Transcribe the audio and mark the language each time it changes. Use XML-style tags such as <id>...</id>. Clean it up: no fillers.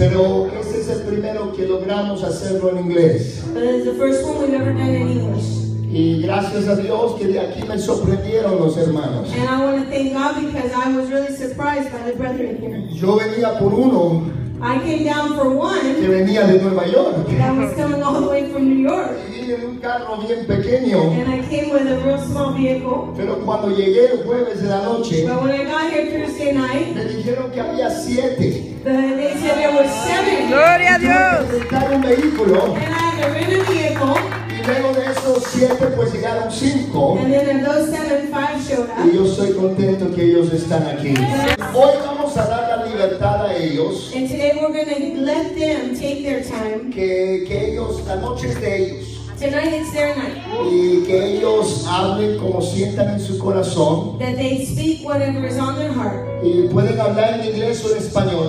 <es>Pero este es el primero que logramos hacerlo en inglés.</es> <en>But this is the first one we've ever done in English.</en> <es>Y gracias a Dios que de aquí me sorprendieron los hermanos.</es> <en>And I want to thank God because I was really surprised by the brethren here.</en> <es>Yo venía por uno.</es> <en>I came down for one.</en> <es>Que venía de Nueva York.</es> <en>That was coming all the way from New York.</en> <es>En un carro bien pequeño.</es> <en>And I came with a real small vehicle.</en> <es>Pero cuando llegué el jueves de la noche,</es> <en>but when I got here Thursday night,</en> <es>me dijeron que había siete.</es> <en>They said there were seven.</en> <es>Gloria a Dios. Tuve un vehículo.</es> <en>And I had a rented vehicle.</en> <es>Y luego de esos siete, pues llegaron cinco.</es> <en>And then those seven, five showed up.</en> <es>Y yo soy contento que ellos están aquí. Yes. Hoy vamos a dar la libertad a ellos.</es> <en>And today we're going to let them take their time.</en> <es>Que ellos, la noche es de ellos.</es> <en>Tonight it's their night.</en> <es>Y que ellos hablen como sientan en su corazón.</es> <en>That they speak whatever is on their heart.</en> <es>Y pueden hablar en inglés o en español.</es>